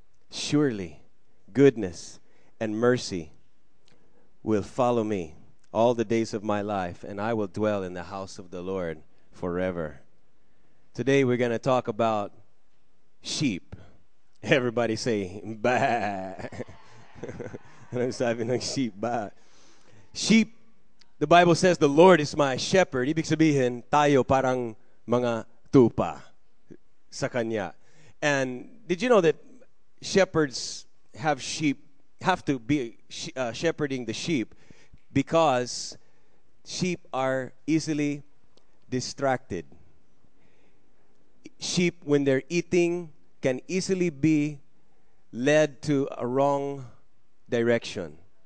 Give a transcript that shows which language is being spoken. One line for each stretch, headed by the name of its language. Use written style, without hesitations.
English: Surely, goodness and mercy will follow me all the days of my life, and I will dwell in the house of the Lord forever. Today we're going to talk about sheep. Everybody say, bah. Sheep, the Bible says, the Lord is my shepherd.
Filipino: Ibig sabihin, tayo parang mga tupa sa kanya.
English: And did you know that shepherds have sheep, have to be shepherding the sheep? Because sheep are easily distracted. Sheep, when they're eating, can easily be led to a wrong direction.